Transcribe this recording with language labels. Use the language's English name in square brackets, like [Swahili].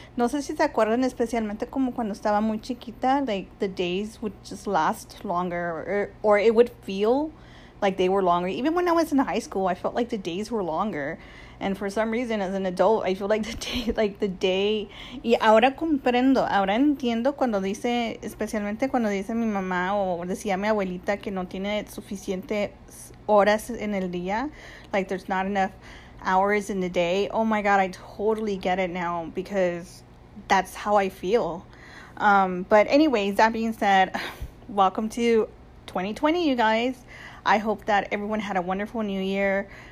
[Spanish] No sé si se acuerdan, especialmente como cuando estaba muy chiquita, [English] like the days would just last longer, or it would feel like they were longer. Even when I was in high school, I felt like the days were longer. And for some reason, as an adult, I feel like the day. [Spanish] Y ahora comprendo. Ahora entiendo cuando dice, especialmente cuando dice mi mamá o decía mi abuelita que no tiene suficientes horas en el día. [English] Like, there's not enough hours in the day. Oh my God, I totally get it now, because that's how I feel. But anyways, that being said, welcome to 2020, you guys. I hope that everyone had a wonderful New Year.